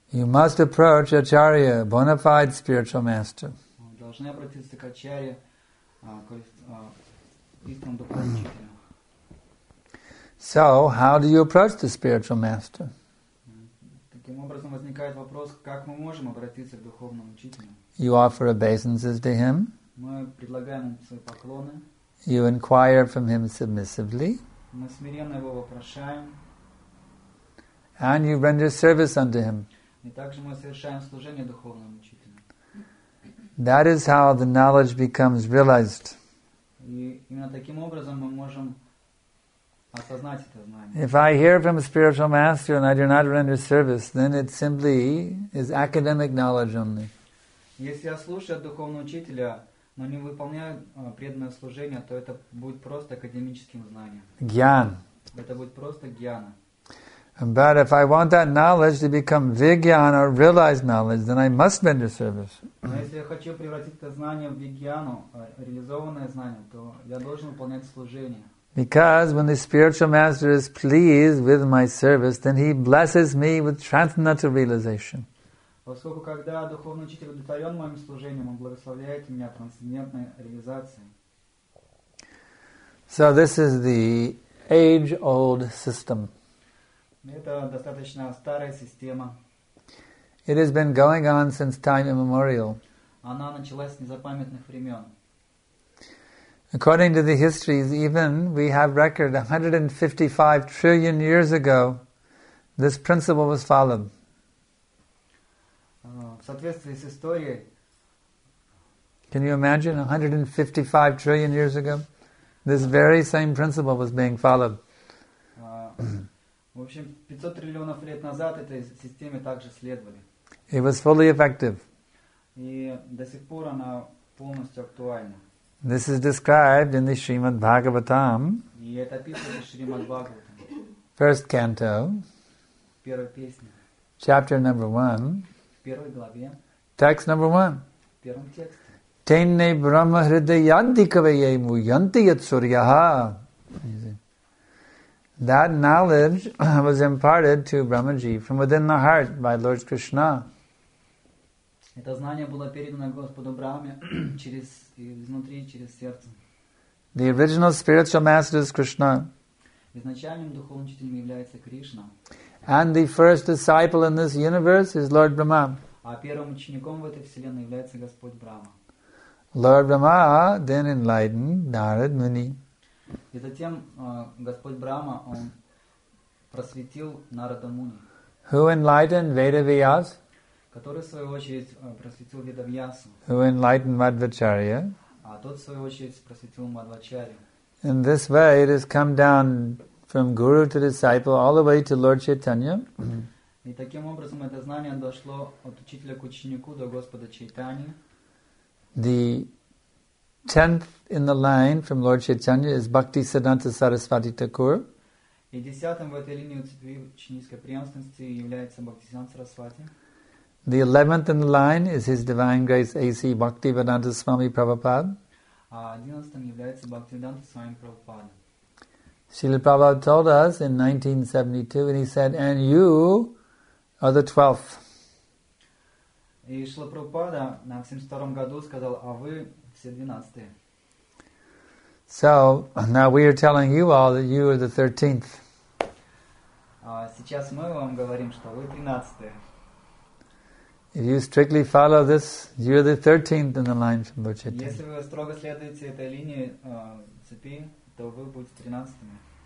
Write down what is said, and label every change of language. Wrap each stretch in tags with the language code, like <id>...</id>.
<en>You must approach Acharya, bona fide spiritual master.</en> <ru>Вы должны обратиться к Ачарье, истинному духовному.</ru> <en>So, how do you approach the spiritual master?</en> <ru>Таким образом возникает вопрос, как мы можем обратиться к духовному учителю?</ru> <en>You offer obeisances to him.</en> <ru>Мы предлагаем ему свои поклоны.</ru> <en>You inquire from him submissively.</en> <ru>Мы смиренно его вопрошаем.</ru> <en>And you render service unto him.</en> <ru>И также мы совершаем служение духовному учителю.</ru> <en>That is how the knowledge becomes realized.</en> <ru>И именно таким образом мы можем осознать это знание.</ru> <en>If I hear from a spiritual master and I do not render service, then it simply is academic knowledge only.</en> <ru>Если я слушаю духовного учителя, но не выполняю преданное служение, то это будет просто академическим знанием. Гьян. Это будет просто гьяна.</ru> <en>But if I want that knowledge to become vigyan or realized knowledge, then I must render service.</en> <ru>Но если я хочу превратить это знание в вигьяну, реализованное знание, то я должен выполнять служение.</ru> <en>Because when the spiritual master is pleased with my service, then he blesses me with transcendental realization.</en> <ru>Поскольку когда духовный учитель удовлетворен моим служением, он благословляет меня трансцендентной реализацией.</ru> <en>So this is the age-old system.</en> <ru>Это достаточно старая система.</ru> <en>It has been going on since time immemorial.</en> <ru>Она началась с незапамятных времен.</ru> <en>According to the histories, even we have record 155 trillion years ago, this principle was followed.</en> <ru>В соответствии с историей.</ru> <en>Can you imagine 155 trillion years ago? This very same principle was being followed.</en> <ru>В общем, 500 триллионов лет назад этой системе также следовали.</ru> <en>It was fully effective.</en> <ru>И до сих пор она полностью актуальна.</ru> <en>This is described in the Srimad Bhagavatam.</en> <ru>И это описывается в Шримад Бхагаватам.</ru> <en>First canto.</en> <ru>Первая песня.</ru> <en>Chapter number one. Text number one.</en> <sa>Tene brahma hridayantikave yamu yanti yat suryaha.</sa> <en>That knowledge was imparted to Brahmaji from within the heart by Lord Krishna.</en> <ru>Это знание было передано Господу Брахме через изнутри, через сердце.</ru> <en>The original spiritual master is Krishna.</en> <ru>Изначальным духовным учителем является Кришна.</ru> <en>And the first disciple in this universe is Lord Brahma.</en> <ru>А первым учеником в этой вселенной является Господь Брахма.</ru> <en>Lord Brahma then enlightened Narad Muni.</en> <ru>И затем Господь Брахма он просветил Нарада Муни.</ru> <en>Who enlightened Vedavyas?</en> <ru>Который в свою очередь просветил Ведавьясу.</ru> <en>Who enlightened Madhvacharya?</en> <ru>А тот в свою очередь просветил Мадхвачарью.</ru> <en>In this way, it has come down from guru to disciple all the way to Lord Chaitanya.</en> <ru>И таким образом это знание дошло от учителя к ученику до Господа Чайтани.</ru> <en>The tenth in the line from Lord Chaitanya is Bhakti Siddhanta Sarasvati Thakur.</en> <ru>И десятым в этой линии цепи ученической преемственности является Бхакти Сиддханта Сарасвати.</ru> <en>The 11th in the line is His Divine Grace A.C. Bhaktivedanta Swami Prabhupada.</en> <ru>А 11-м является Бхактивиданта Свами Прабхупада.</ru> <en>Srila Prabhupada told us in 1972, and he said, and you are the 12th.</en> <ru>И Шрила Прабхупада на 72-м году сказал, а вы все 12-е.</ru> <en>So, now we are telling you all that you are the 13th.</en> <ru>Сейчас мы вам говорим, что вы 13-е.</ru> <en>If you strictly follow this, you're the 13th in the line from Lord Chaitanya.</en> <ru>Если вы строго следуете этой линии цепи, то вы будете 13-ми.</ru>